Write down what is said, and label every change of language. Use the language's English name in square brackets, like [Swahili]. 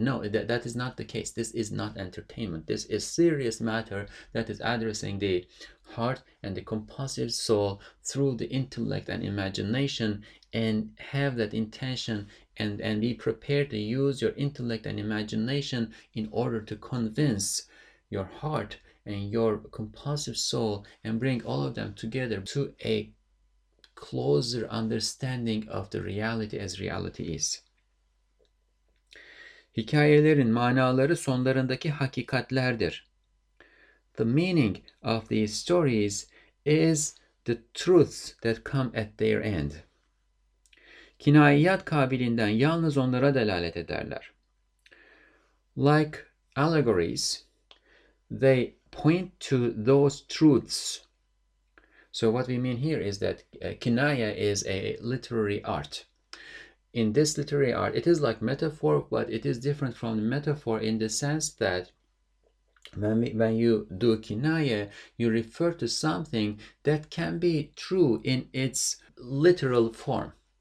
[English] No, that is not the case. This is not entertainment. This is serious matter that is addressing the heart and the composite soul through the intellect and imagination, and have that intention and be prepared to use your intellect and imagination in order to convince your heart and your composite soul and bring all of them together to a closer understanding of the reality as reality is. [Turkish] Hikayelerin manaları sonlarındaki hakikatlerdir. [English] The meaning of these stories is the truths that come at their end. [Turkish] Kinayiyat kabilinden yalnız onlara delalet ederler. [English] Like allegories, they point to those truths. So what we mean here is that kinaya is a literary art. In this literary art, it is like metaphor, but it is different from the metaphor in the sense that when you do kinaya, you refer to something that can be true in its literal form.